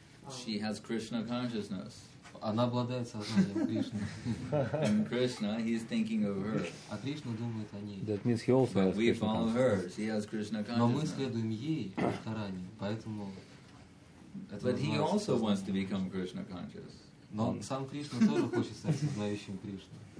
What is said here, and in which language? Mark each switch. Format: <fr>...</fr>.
<en>She has Krishna consciousness.</en> <ru>Она обладает сознанием Кришны.</ru> <en>And Krishna, he's thinking of her.</en> <ru>А Кришна думает о ней.</ru> <en>That means he also has. We follow her. She has Krishna consciousness.</en> <ru>Но мы следуем ей, Радхарани, поэтому.</ru> <en>But he also wants to become Krishna conscious.</en> <ru>Но сам Кришна тоже хочет стать сознающим Кришну.</ru>